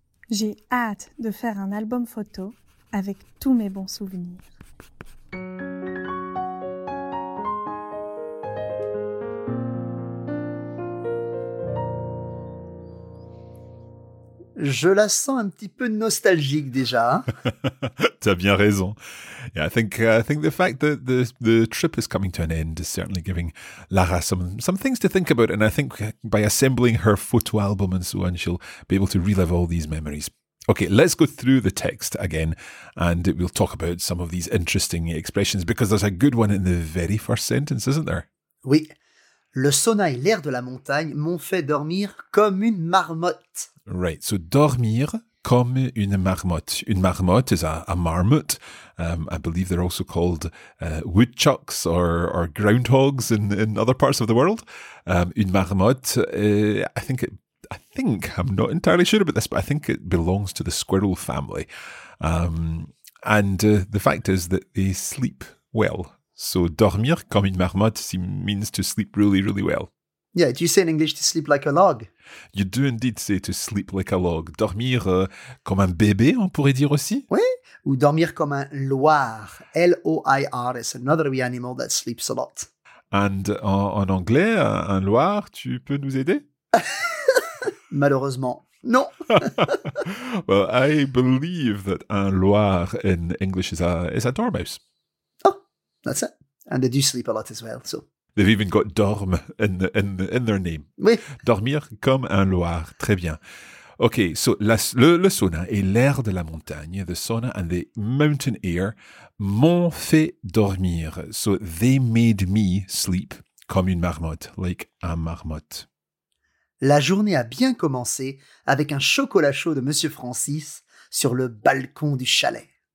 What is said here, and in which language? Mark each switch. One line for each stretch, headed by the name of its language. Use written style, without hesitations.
French: J'ai hâte de faire un album photo avec tous mes bons souvenirs. Je la sens un petit peu nostalgique déjà. Tu as bien raison.
English: Yeah, I think the fact that the trip is coming to an end is certainly giving Lara some things to think about, and I think by assembling her photo album and so on, she'll be able to relive all these memories. Okay, let's go through the text again and we'll talk about some of these interesting expressions because there's a good one in the very first sentence, isn't there?
French: Oui. Le sauna et l'air de la montagne m'ont fait dormir comme une marmotte.
English: Right, so
French: dormir comme une marmotte.
English: Une marmotte is a marmot. I believe they're also called woodchucks or groundhogs in other parts of the world. Une marmotte, I think, I'm not entirely sure about this, but I think it belongs to the squirrel family. The fact is that they sleep well. So
French: dormir comme une marmotte
English: means to sleep really, really well. Yeah, do you say in English to sleep like a log? You do indeed say to sleep like a log.
French: Dormir comme un bébé, on pourrait dire aussi. Oui, ou dormir comme un loir.
English: L-O-I-R is another wee animal that sleeps a lot.
French: And en anglais, un loir, tu peux nous aider? Malheureusement, non.
English: Well, I believe that un loir in English is a dormouse. Oh, that's it. And they do sleep a lot as well, so. They've even got dorme in their name.
French: Oui. Dormir comme un loir. Très bien.
English: OK, so
French: le sauna et l'air de la montagne,
English: the sauna and the mountain air,
French: m'ont fait dormir.
English: So they made me sleep
French: comme une marmotte,
English: like a marmotte.
French: La journée a bien commencé avec un chocolat chaud de Monsieur Francis sur le balcon du chalet.